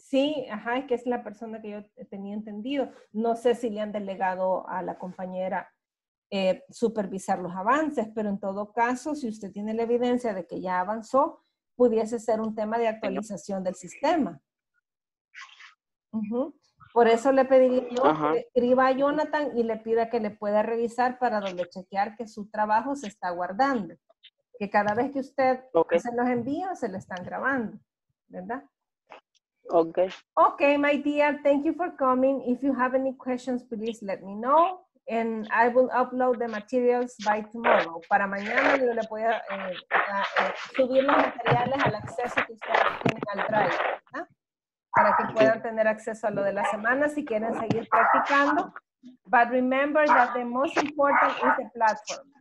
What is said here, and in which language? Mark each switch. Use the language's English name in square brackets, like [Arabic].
[Spanish] Sí, ajá, es que es la persona que yo tenía entendido. No sé si le han delegado a la compañera supervisar los avances, pero en todo caso, si usted tiene la evidencia de que ya avanzó, pudiese ser un tema de actualización del sistema. Uh-huh. Por eso le pediría yo que escriba a Jonathan y le pida que le pueda revisar para donde chequear que su trabajo se está guardando. Que cada vez que usted se los envía, se le están grabando, ¿verdad? Ok. [English] Ok, my dear, thank you for coming. If you have any questions, please let me know. And I will upload the materials by tomorrow. [Spanish] Para mañana yo le voy a subir los materiales al acceso que ustedes tienen al Drive, ¿verdad? Para que puedan tener acceso a lo de la semana si quieren seguir practicando. [English] But remember that the most important is the platform.